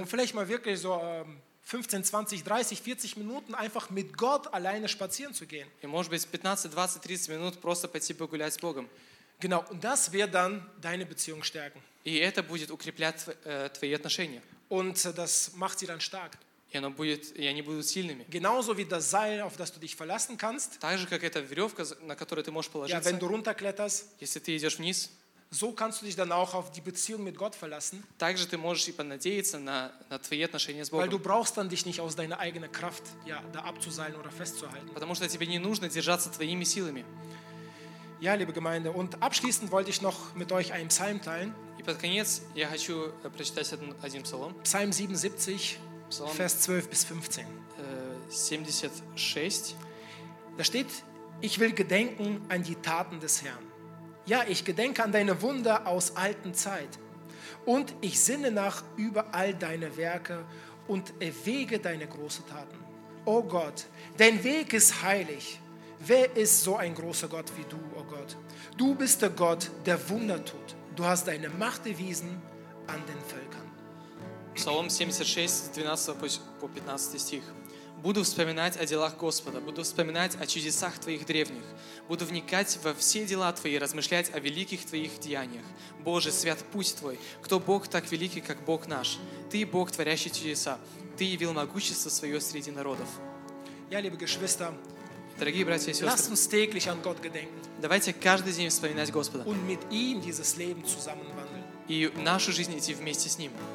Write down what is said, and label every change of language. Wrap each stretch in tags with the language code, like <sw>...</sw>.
<de>Und vielleicht mal wirklich so 15, 20, 30, 40 Minuten einfach mit Gott alleine spazieren zu gehen.</de> <ru>И может быть 15, 20, 30 минут просто пойти погулять с Богом.</ru> <de>Genau, und das wird dann deine Beziehung stärken.</de> <ru>И это будет укреплять твои отношения.</ru> <de>Und das macht sie dann stark.</de> <ru>И они будут сильными.</ru> <de>Genauso wie das Seil, auf das du dich verlassen kannst.</de> <ru>Так же, как эта веревка, на которую ты можешь положиться.</ru> <de>Ja, wenn du runterkletterst.</de> <ru>Если ты идешь вниз.</ru> <de>So kannst du dich dann auch auf die Beziehung mit Gott verlassen.</de> <ru>Так же ты можешь и понадеяться на твои отношения с Богом.</ru> <de>Weil du brauchst dann dich nicht aus deiner eigenen Kraft, ja, da abzuseilen oder festzuhalten.</de> <ru>Потому что тебе не нужно держаться твоими силами.</ru> <de>Ja, liebe Gemeinde, und abschließend wollte ich noch mit euch einen Psalm teilen.</de> <ru>И под конец я хочу прочитать один псалом.</ru> <de>Psalm 77. Vers 12 bis 15. 76. Da steht: Ich will gedenken an die Taten des Herrn. Ja, ich gedenke an deine Wunder aus alten Zeit. Und ich sinne nach über all deine Werke und erwäge deine großen Taten. O Gott, dein Weg ist heilig. Wer ist so ein großer Gott wie du, o Gott? Du bist der Gott, der Wunder tut. Du hast deine Macht erwiesen an den Völkern.</de> <ru>Псалом 76, 12 по 15 стих. «Буду вспоминать о делах Господа, буду вспоминать о чудесах Твоих древних, буду вникать во все дела Твои, размышлять о великих Твоих деяниях. Боже, свят путь Твой, кто Бог так великий, как Бог наш? Ты, Бог, творящий чудеса, Ты явил могущество Свое среди народов».</ru> <de>Я, liebe Geschwister,</de> <ru>дорогие братья и сестры,</ru> <de>lass uns täglich an Gott gedenken.</de> <ru>Давайте каждый день вспоминать Господа.</ru> <de>Und mit ihm dieses Leben zusammenwandeln.</de> <ru>И нашу жизнь идти вместе с Ним.</ru>